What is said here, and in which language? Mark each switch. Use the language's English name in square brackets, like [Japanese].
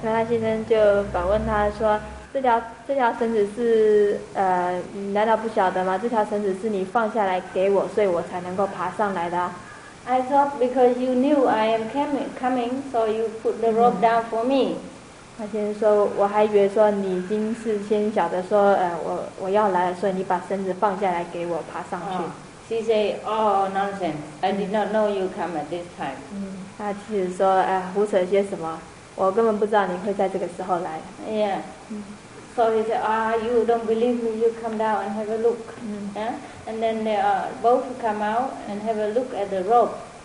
[Chinese] 那他先生就反问他说, 这条绳子是你难道不晓得吗? 这条绳子是你放下来给我, 所以我才能够爬上来的啊。 [English] I thought because you knew I am coming, so you put the rope down for me. [Chinese] 他先生说，我还以为说你已经是先晓得说，我要来了，所以你把绳子放下来给我爬上去。 [English] She said, "Oh, nonsense! I did not know you come at this time." [Chinese] 他其实说，胡扯些什么？我根本不知道你会在这个时候来。 [English] Yeah. So he said, "Ah, you don't believe me? You come down and have a look." Yeah. And then they both come out and have a look at the rope.